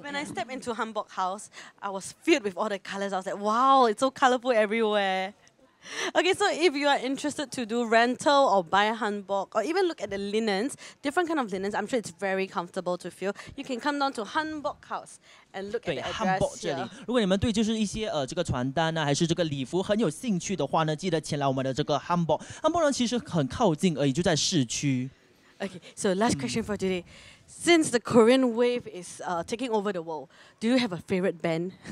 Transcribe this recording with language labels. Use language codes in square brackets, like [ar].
[en] When I stepped into Hanbok House, I was filled with all the colors. I was like, wow, it's so colorful everywhere. Okay, so if you are interested to do rental or buy a hanbok or even look at the linens, different kind of linens, I'm sure it's very comfortable to feel. You can come down to Hanbok House and look at the address here. [zh] 如果你们对就是一些这个传单啊，还是这个礼服很有兴趣的话呢，记得前来我们的这个 Hanbok。 Hanbok 呢其实很靠近而已，就在市区。 [en] Okay, so last question for today. Since the Korean wave is taking over the world, do you have a favorite band?